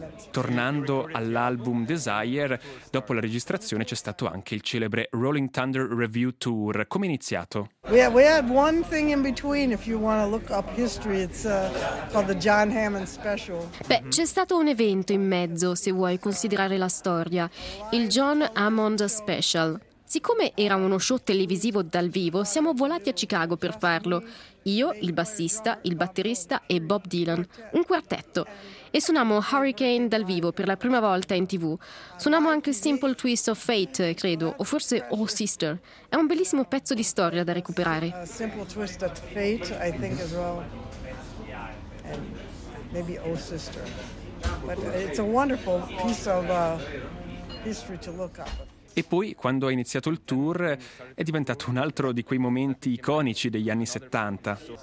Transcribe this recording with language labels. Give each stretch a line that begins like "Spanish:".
Italian: Tornando all'album Desire, dopo la registrazione c'è stato anche il celebre Rolling Thunder Review Tour. Come è iniziato?
English: We had one thing in between, if you want to look up history, it's called the John Hammond Special.
Italian: Beh, c'è stato un evento in mezzo, se vuoi considerare la storia, il John Hammond Special. Siccome era uno show televisivo dal vivo, siamo volati a Chicago per farlo. Io, il bassista, il batterista e Bob Dylan. Un quartetto. E suonammo Hurricane dal vivo per la prima volta in TV. Suonammo anche Simple Twist of Fate, credo, o forse Oh Sister. È un bellissimo pezzo di storia da recuperare.
English: Simple Twist of Fate, I think, as well. And maybe Oh Sister. But it's a wonderful piece of history to look up.
Italian: E poi, quando ha iniziato il tour, è diventato un altro di quei momenti iconici degli anni 70.